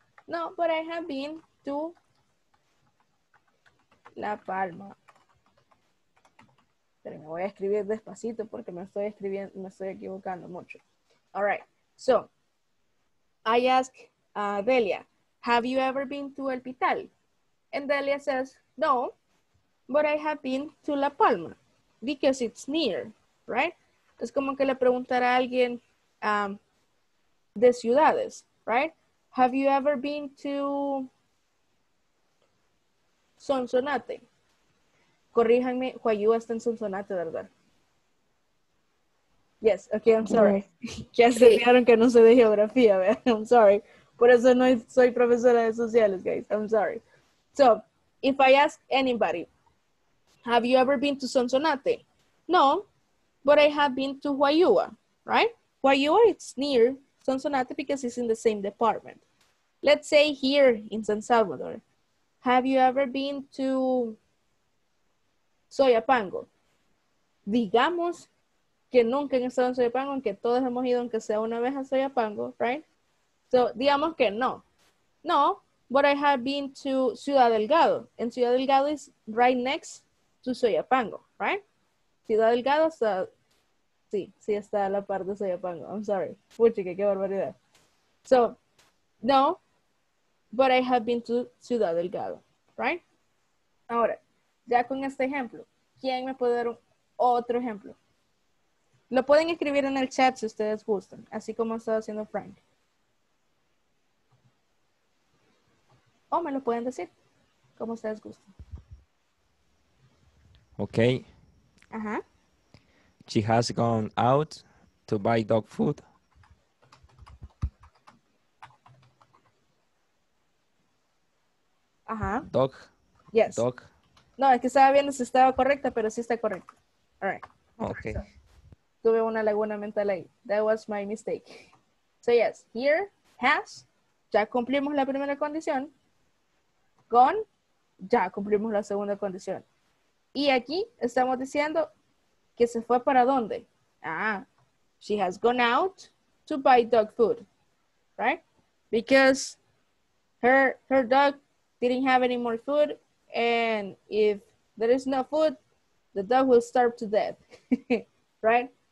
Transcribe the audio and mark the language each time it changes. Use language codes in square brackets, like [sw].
[en] No, but I have been to La Palma. [es] Pero me voy a escribir despacito porque me estoy equivocando mucho. [en] All right. So, I ask Delia, have you ever been to El Pital? And Delia says, no, but I have been to La Palma because it's near, right? [es] Es como que le preguntara a alguien de ciudades, [en] right? Have you ever been to Sonsonate? [es] Corríjanme, Huayúa está en Sonsonate, ¿verdad? [en] Yes, okay, I'm sorry. [es] Ya se fijaron que no sé de geografía, ¿verdad? [en] I'm sorry. [es] Por eso no soy profesora de sociales, [en] guys. I'm sorry. So, if I ask anybody, have you ever been to Sonsonate? No, but I have been to Huayúa, right? Huayúa, it's near Sonsonate because it's in the same department. Let's say here in San Salvador, have you ever been to Soyapango? [es] Digamos que nunca han estado en Soyapango, aunque todos hemos ido, aunque sea una vez a Soyapango, [en] right? So, [es] digamos que no. [en] No, but I have been to Ciudad Delgado. And Ciudad Delgado is right next to Soyapango, right? [es] Ciudad Delgado está, sí, sí está a la par de Soyapango. [en] I'm sorry. [es] Puchique, qué barbaridad. [en] So, no, but I have been to Ciudad Delgado, right? [es] Ahora, ya con este ejemplo, ¿quién me puede dar otro ejemplo? Lo pueden escribir en el chat si ustedes gustan, así como ha estado haciendo Frank. O me lo pueden decir, como ustedes gustan. Ok. Ajá. [en] She has gone out to buy dog food. Ajá. Dog. Yes. Dog. [es] No, es que estaba viendo si estaba correcta, pero sí está correcta. [en] All right. Ok. [es] So, tuve una laguna mental ahí. [en] That was my mistake. So yes, here, has, [es] ya cumplimos la primera condición. Gone, ya cumplimos la segunda condición. Y aquí estamos diciendo que se fue para dónde. [en] Ah, she has gone out to buy dog food, right? Because her dog didn't have any more food, and if there is no food, the dog will starve to death, right?